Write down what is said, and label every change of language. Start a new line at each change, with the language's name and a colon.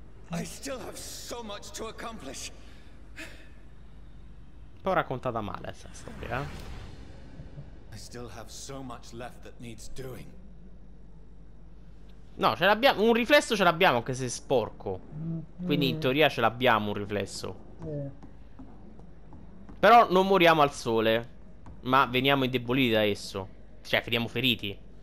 English: I still have so much to accomplish.
Italian: Un po' raccontata male questa storia.
English: I still have so much left that needs doing.
Italian: No, ce l'abbiamo. Un riflesso ce l'abbiamo, anche se è sporco. Quindi in teoria ce l'abbiamo un riflesso. Però non moriamo al sole, ma veniamo indeboliti da esso. Cioè, finiamo feriti.